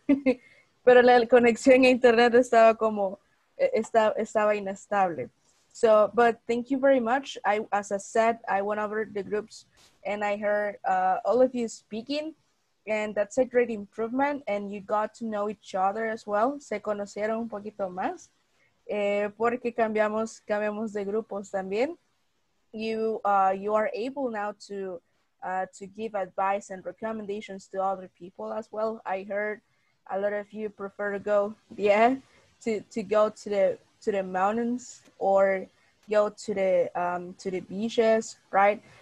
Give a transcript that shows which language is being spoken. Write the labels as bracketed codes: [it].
[es] Pero la conexión a internet estaba como estaba inestable. [en] So, but thank you very much. As I said, I went over the groups and I heard all of you speaking, and that's a great improvement. And you got to know each other as well. [es] Se conocieron un poquito más porque cambiamos de grupos también. [en] You are able now to give advice and recommendations to other people as well. I heard a lot of you prefer to go to go to the mountains or go to the beaches, right?